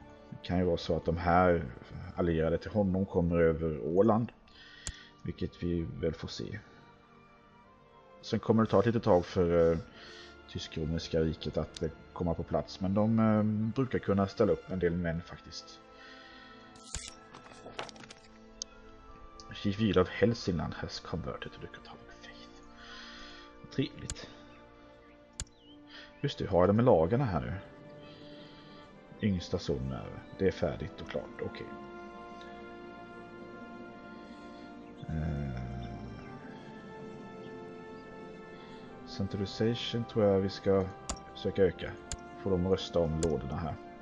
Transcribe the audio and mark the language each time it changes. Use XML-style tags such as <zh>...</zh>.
<sv>Det kan ju vara så att de här allierade till honom kommer över Åland. Vilket vi väl får se. Sen kommer det ta ett litet tag för tysk-romerska riket att komma på plats. Men de brukar kunna ställa upp en del män faktiskt.</sv> <en>Chief Yield of Helsingland has converted to the Catholic faith.</en> <sv>Trevligt. Just det, har jag det med lagarna här nu? Yngsta son är det är färdigt och klart. Okej. Centralization tror jag vi ska försöka öka. Får de rösta om lådorna här.</sv>